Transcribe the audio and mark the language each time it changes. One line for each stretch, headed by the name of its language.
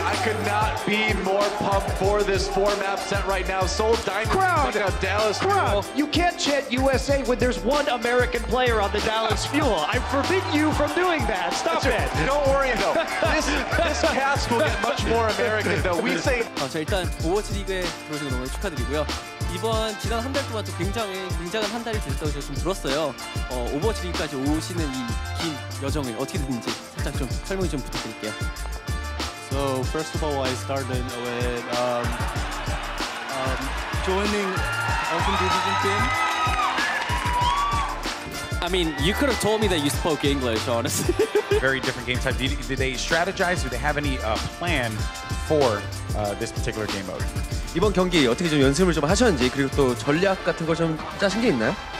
English: I could not be more pumped for this four-map set right now. Soul Diamond. Crowd. Dallas Crowd. Fuel. You can't chant USA when there's one American player on the Dallas Fuel. I forbid you from doing that. Stop it. Don't worry, though. This cast will get much more American, though. We say...
Korean: 일단 Overwatch League에 들어오신 거 너무 축하드리고요. 이번 지난 한 달 동안 또 굉장히 굉장한 한 달이 됐다고 제가 좀 들었어요. 오버워치 리그까지 오시는 이 긴 여정을 어떻게 됐는지 살짝 좀 설명 좀 부탁드릴게요.
English: So first of all, I started with joining Open Division team. I mean, you could have told me that you spoke English, honestly. Very different game type. Did they strategize? Do they have any plan for this particular game mode?
Korean: 이번 경기 어떻게 좀 연습을 좀 하셨는지 그리고 또 전략 같은 걸 좀 짜신 게 있나요?